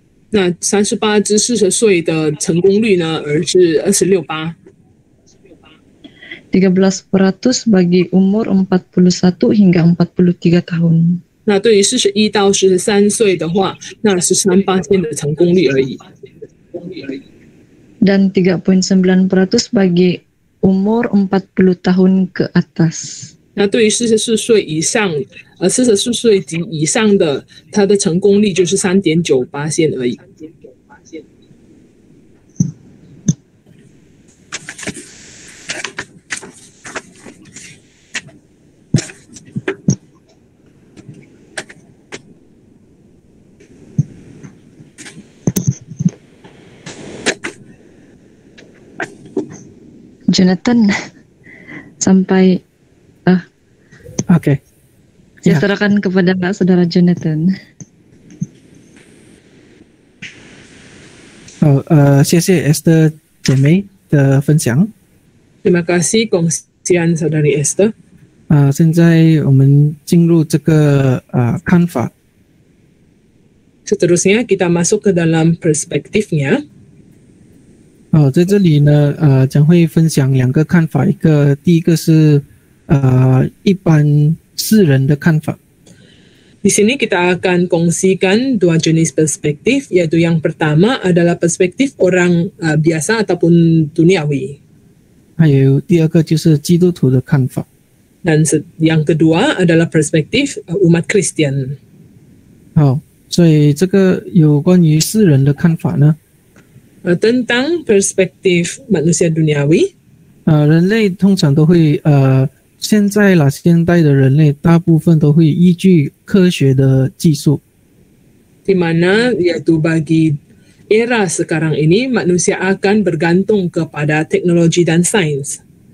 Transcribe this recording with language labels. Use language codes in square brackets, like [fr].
[zh] 那38至40岁的成功率呢而是 [ms] 13% bagi umur 41 hingga 43 tahun [zh] 那对于41到43岁的话那是 13% 的成功率而已 [ms] dan 3.9% bagi umur 40 tahun ke atas [zh] 那对于44岁以上44岁及以上的它的成功率就是 3.9% 而已 [ms] Jonathan, sampai [en] Okay. [ms] Saya serahkan kepada saudara Jonathan. [zh] Oh, 谢谢 Esther 姐妹的分享。 [ms] Terima kasih, kongsian saudari Esther. [zh] 现在我们进入这个看法。 [ms] Seterusnya kita masuk ke dalam perspektifnya. [zh] 在这里呢，将会分享两个看法。一个，第一个是，一般世人的看法。 [ms] Di sini kita akan kongsikan dua jenis perspektif, yaitu yang pertama adalah perspektif orang biasa ataupun duniawi. [zh] 还有第二个就是基督徒的看法。 [ms] Dan yang kedua adalah perspektif umat Kristian. [zh] 好，所以这个有关于世人的看法呢？ [ms] Tentang perspektif manusia duniawi. [zh] 人类通常都会现在啦，现代的人类大部分都会依据科学的技术。 [ms] Di mana yaitu bagi era sekarang ini, manusia akan bergantung kepada teknologi dan sains.